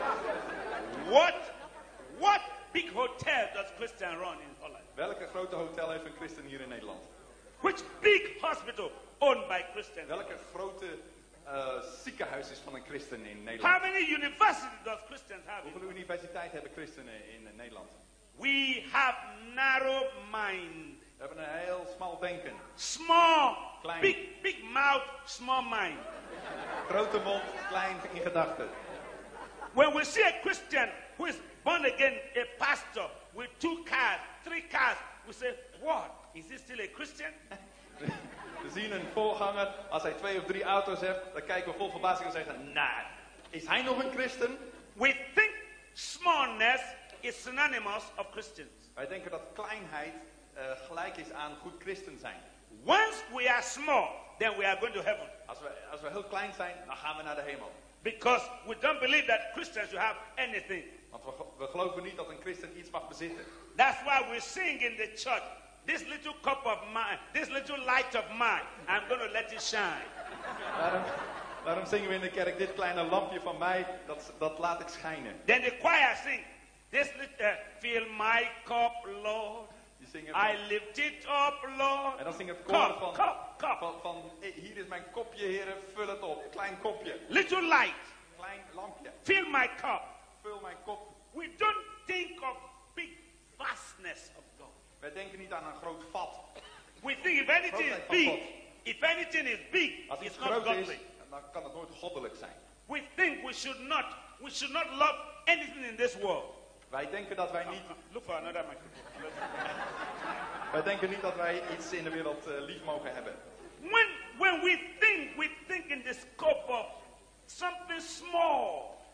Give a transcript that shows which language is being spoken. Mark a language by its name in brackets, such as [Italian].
[English] What big hotel does Christian run in Holland? [Dutch] Welke grote hotel heeft een Christen hier in Nederland? [English] Which big hospital owned by Christians? [Dutch] Welke grote ziekenhuis is van een christen in Nederland. [English] How many universities does Christians have? [Dutch] Hoeveel universiteiten hebben christenen in Nederland? [English] We have narrow mind. [Dutch] We hebben een heel smal denken. [English] Small, [Dutch] klein. [English] Big mouth, small mind. [Dutch] Grote mond, klein in gedachten. [English] When we see a Christian who is born again, a pastor with 2 cars, 3 cars, we say, what? Is he still a Christian? [Dutch] We zien een voorganger, als hij 2 of 3 auto's heeft, dan kijken we vol verbazing en zeggen, nah, is hij nog een christen? [English] We think smallness is synonymous of Christians. [Dutch] Wij denken dat kleinheid gelijk is aan goed christen zijn. [English] Once we are small, then we are going to heaven. [Dutch] Als we heel klein zijn, dan gaan we naar de hemel. [English] Because we don't believe that Christians should have anything. [Dutch] Want we geloven niet dat een christen iets mag bezitten. [English] That's why we sing in the church. This little cup of mine, this little light of mine, I'm going to let it shine. [Dutch] Daarom zingen we in de kerk, dit kleine lampje van mij, dat laat ik schijnen. [English] Then the choir sing, this little, fill my cup, Lord. I lift it up, Lord. [Dutch] En dan zing het koor van hier is mijn kopje, heren, vul het op. Klein kopje. [English] Little light. [Dutch] Klein lampje. [English] Fill my cup. [Dutch] Vul mijn kop. [English] We don't think of big vastness of God. [Dutch] We denken niet aan een groot vat. [English] We think if anything is big, if anything is big, it's not godly. [Dutch] Dan kan het nooit goddelijk zijn. [English] We think we should not love anything in this world. [Dutch] Wij denken dat wij niet. [English] Look for another microphone. [Dutch] Wij denken niet dat wij iets in de wereld lief mogen hebben. [English] When we think in the scope of something small.